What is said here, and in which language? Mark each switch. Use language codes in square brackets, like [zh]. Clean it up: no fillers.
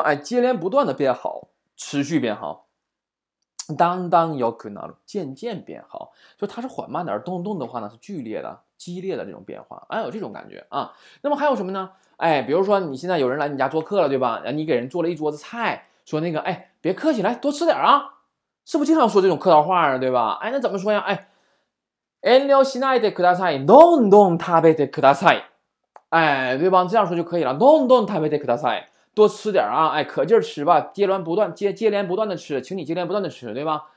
[zh] 哎，接连不断的变好，持续变好。当当有可能渐渐变好，就它是缓慢的，而咚咚的话呢是剧烈的、激烈的这种变化，哎，有这种感觉啊。那么还有什么呢？哎，比如说你现在有人来你家做客了，对吧？你给人做了一桌子菜，说那个，哎，别客气，来多吃点啊，是不是经常说这种客套话啊，对吧？哎，那怎么说呀？ [ja] 哎，遠慮しないでください、どんどん食べてください。 [zh] 哎，对吧？这样说就可以了， [ja] どんどん食べてください。 [zh] 多吃点啊，哎，可劲儿吃吧，接连不断的吃，请你接连不断的吃，对吧？